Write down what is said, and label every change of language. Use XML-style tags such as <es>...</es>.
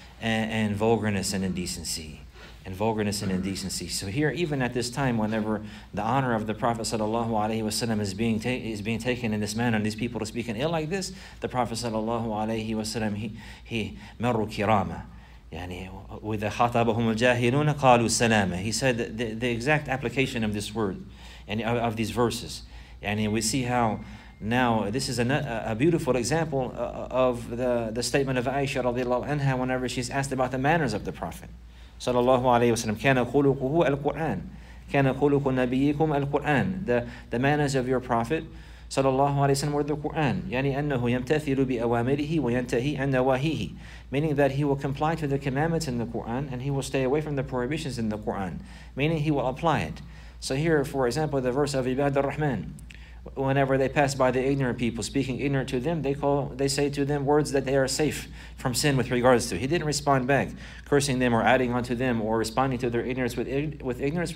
<en>And vulgarness and indecency. And vulgarness and indecency. So here, even at this time, whenever the honor of the Prophet sallallahu alayhi wa sallam is being taken in this manner, and these people are speaking ill like this, the Prophet sallallahu alayhi wa sallam, he marru kirama.</en> <ar>يعني وإذا خاطبهم الجاهلون قالوا سلاما.</ar> <en>He said the exact application of this word, and of these verses. And we see how now this is a beautiful example of the statement of Aisha radiallahu anha whenever she's asked about the manners of the Prophet sallallahu alayhi wa sallam.</en> <ar>كان خلقه القرآن كان خلق نبيكم القرآن.</ar> <en>The manners of your Prophet sallallahu alayhi wa sallam were the Quran.</en> <ar>يعني أنه يمتثل بأوامره وينتهي عن نواهيه.</ar> <en>Meaning that he will comply to the commandments in the Quran and he will stay away from the prohibitions in the Quran. Meaning he will apply it. So here, for example, the verse of Ibad al-Rahman, whenever they pass by the ignorant people, speaking ignorant to them, they say to them words that they are safe from sin with regards to. He didn't respond back, cursing them or adding onto them or responding to their ignorance with ignorance.</en>